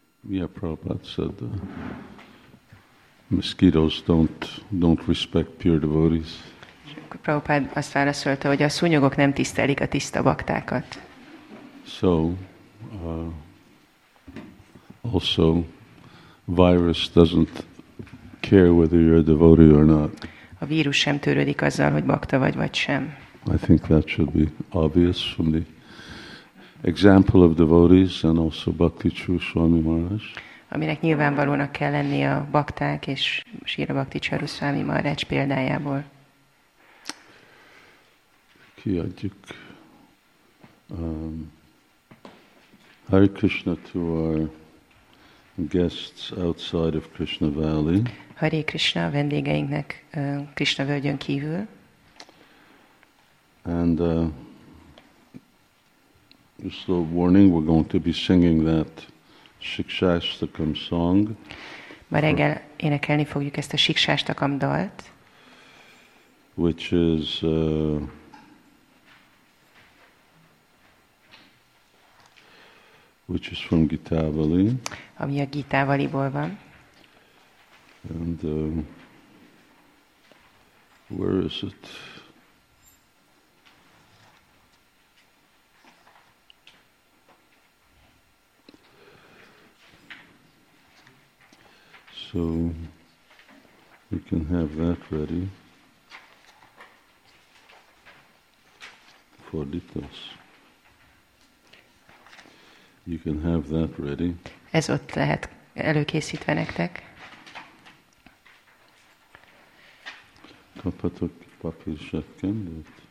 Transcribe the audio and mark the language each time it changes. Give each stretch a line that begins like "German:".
English: Yeah, Prabhupada said mosquitoes don't respect pure devotees.
Hungarian: Prabhupada azt válaszolta, hogy a szúnyogok nem tisztelik a tiszta baktákat.
English: So, also, virus doesn't care whether you're a devotee or not.
Hungarian: A vírus sem törődik azzal, hogy bakta vagy vagy sem.
English: I think that should be obvious from the example of devotees and also Bhakti Charu Swami Maharaj.
Hungarian: Aminek nyilvánvalónak kell lenni a bakták és Srila Bhakti Charu Swami Maharaj példájából. Kiadjuk
English: Hare Krishna to our guests outside of Krishna Valley.
Hungarian: Hare Krishna a vendégeinknek Krishna völgyön kívül.
English: And just a warning, we're going to be singing that Shikshashtakam song.
Hungarian: Ma reggel énekelni fogjuk ezt a Shikshashtakam dalt.
English: Which is which is from Gitavali.
Hungarian: Ami a Gitavaliból van.
English: And where is it? So we can have that ready for details. You can have that ready.
Hungarian: Ez ott lehet előkészítve nektek. Kaphatok papír zsebkendőt.